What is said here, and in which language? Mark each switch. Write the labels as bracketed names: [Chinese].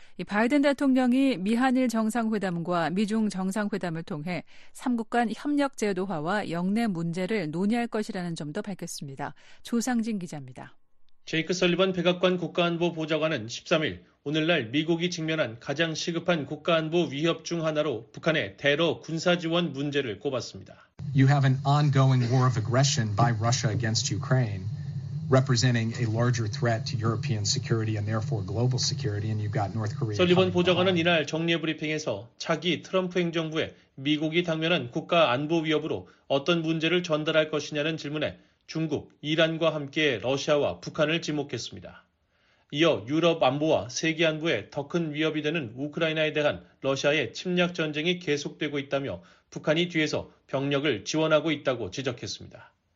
[Korean] 바이든 대통령이 미한일 정상회담과 미중 정상회담을 통해 3국 간 협력 제도화와 영내 문제를 논의할 것이라는 점도 밝혔습니다. 조상진 기자입니다. 제이크 설리번 백악관 국가안보보좌관은 13일 오늘날 미국이 직면한 가장 시급한 국가안보 위협 중 하나로 북한의 대러 군사 지원 문제를 꼽았습니다. [English] You have an ongoing war of aggression by Russia against Ukraine, representing a larger threat to European security and therefore global security, and you've got North Korea. [Korean] 설리번 보좌관은 이날 정례 브리핑에서 차기 트럼프 행정부에 미국이 당면한 국가안보 위협으로 어떤 문제를 전달할 것이냐는 질문에 중국, 이란과 함께 러시아와 북한을 지목했습니다. 이어 유럽 안보와 세계 안보에 더 큰 위협이 되는 우크라이나에 대한 러시아의 침략 전쟁이 계속되고 있다며 북한이 뒤에서 병력을 지원하고 있다고 지적했습니다.